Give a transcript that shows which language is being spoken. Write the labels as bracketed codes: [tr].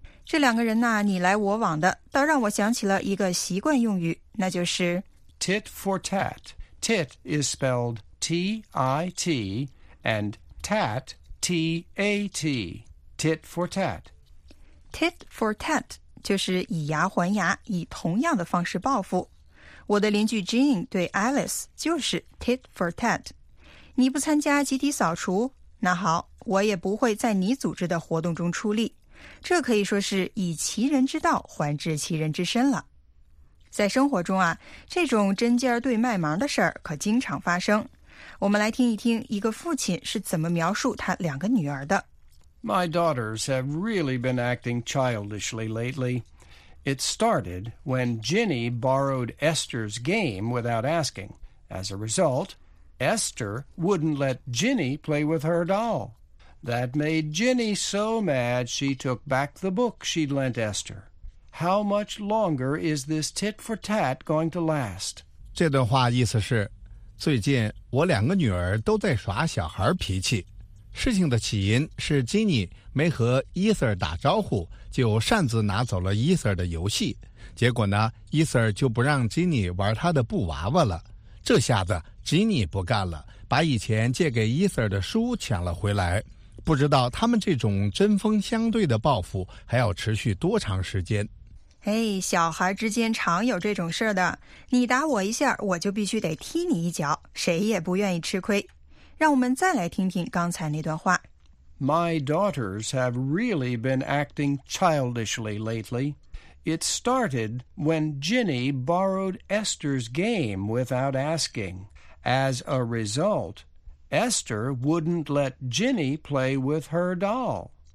[zh] 这两个人呢，你来我往的，倒让我想起了一个习惯用语，那就是 [en] tit for tat. Tit is spelled. T-I-T and tat, T-A-T, tit for tat. [zh] Tit for tat 就是以牙还牙，以同样的方式报复。我的邻居 Jean 对 Alice 就是 tit for tat. 你不参加集体扫除，那好，我也不会在你组织的活动中出力。这可以说是以其人之道还治其人之身了。在生活中啊，这种针尖对麦芒的事儿可经常发生。我们来听一听一个父亲是怎么描述他两个女儿的。 [en] My daughters have really been acting childishly lately. It started when Ginny borrowed Esther's game without asking. As a result, Esther wouldn't let Ginny play with her doll. That made Ginny so mad she took back the book she'd lent Esther. How much longer is this tit for tat going to last? [zh] 这段话意思是最近我两个女儿都在耍小孩脾气。事情的起因是金妮没和伊瑟打招呼就擅自拿走了伊瑟的游戏。结果呢，伊瑟就不让金妮玩他的布娃娃了。这下子金妮不干了，把以前借给伊瑟的书抢了回来。不知道他们这种针锋相对的报复还要持续多长时间。嘿，小孩之间常有这种事儿的，你打我一下，我就必须得踢你一脚，谁也不愿意吃亏。让我们再来听听刚才那段话。 [en] My daughters have really been acting childishly lately. It started when Ginny borrowed Esther's game without asking. As a result, Esther wouldn't let Ginny play with her doll.